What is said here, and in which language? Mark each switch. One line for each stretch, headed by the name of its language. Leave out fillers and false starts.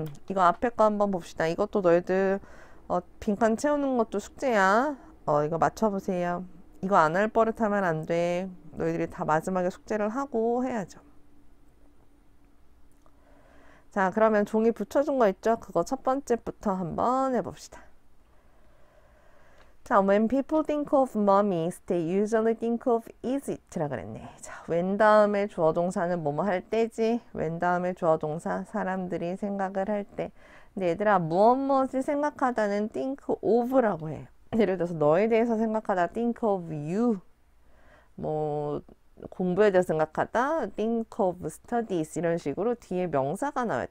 Korean: 이거 앞에 거 한번 봅시다. 이것도 너희들 빈칸 채우는 것도 숙제야. 이거 맞춰보세요. 이거 안할 버릇하면 안 돼. 너희들이 다 마지막에 숙제를 하고 해야죠. 자, 그러면 종이 붙여준 거 있죠? 그거 첫 번째부터 한번 해봅시다.
English: 자, when people think of mummies, they usually think of is it
Korean: 라 그랬네. 자, when 다음에 주어 동사는 뭐뭐 할 때지? when 다음에 주어 동사 사람들이 생각을 할 때. 근데 얘들아, 무엇무엇을 생각하다는 think of라고 해. 예를 들어서 너에 대해서 생각하다
English: think of you.
Korean: 뭐 공부에 대해서 생각하다
English: think of studies
Korean: 이런 식으로 뒤에 명사가 나와요.